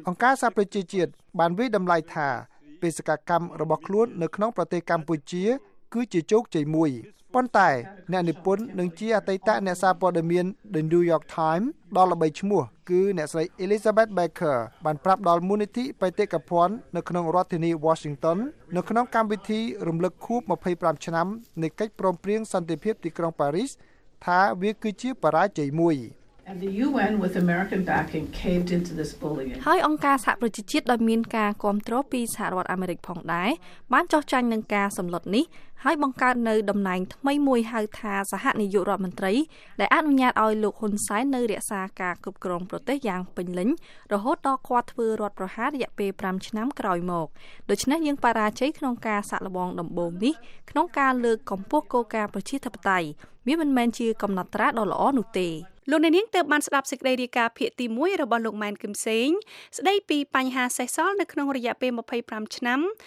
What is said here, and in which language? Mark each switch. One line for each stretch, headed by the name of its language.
Khmer: អង្គការសហប្រជាជាតិបានវិតម្លៃថាបេសកកម្មរបស់ខ្លួននៅក្នុងប្រទេសកម្ពុជាគឺជាជោគជ័យមួយប៉ុន្តែអ្នកនិពន្ធនឹងជាអតីតអ្នកសារព័ត៌មាន The New York Times ដ៏ល្បីឈ្មោះគឺអ្នកស្រី Elizabeth Baker បានប្រាប់ដល់មូលនិធិបេតិកភណ្ឌនៅក្នុងរដ្ឋធានី Washington នៅក្នុងកម្មវិធីរំលឹកខួប25ឆ្នាំនៃកិច្ចព្រមព្រៀងសន្តិភាពទីក្រុង Paris ថាវាគឺជាបរាជ័យមួយ
English: And the UN with American backing caved into this bullying.
Khmer: ហើយអង្គការសហប្រជាជាតិដែលមានការគ្រប់គ្រងពីសហរដ្ឋអាមេរិកផងដែរបានចោទចាញ់នឹងការសម្លុតនេះហើយបង្កើតនៅដំណែងថ្មីមួយហៅថាសហនាយករដ្ឋមន្ត្រី ដែលអនុញ្ញាតឲ្យលោកហ៊ុនសែននៅរក្សាការគ្រប់គ្រងប្រទេសយ៉ាងពេញលេញរហូតដល់គាត់ធ្វើរដ្ឋប្រហាររយៈពេល5ឆ្នាំក្រោយមកដូច្នេះយើងបរាជ័យក្នុងការសាក់លបងដំបូងនេះក្នុងការលើកកម្ពស់គោលការណ៍ប្រជាធិបតេយ្យវាមិនមែនជាកំណត់ត្រាដ៏ល្អនោះទេលោកអ្នកនាងទើបបានស្ដាប់សេចក្តីរាយការណ៍ភាគទី1របស់លោកម៉ែនគឹមសេងស្ដីពីបញ្ហាសេសសល់នៅក្នុងរយៈពេល25ឆ្នាំ